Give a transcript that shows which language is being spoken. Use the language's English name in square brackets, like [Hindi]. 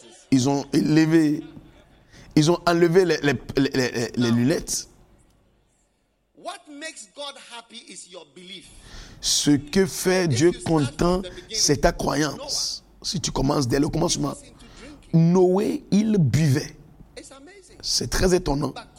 [French] Ils ont élevé, ils ont enlevé les lunettes. [English] What makes God happy is your belief. [French] Ce que fait Dieu content, c'est ta croyance. Si tu commences dès le commencement, Noé, il buvait. C'est très étonnant.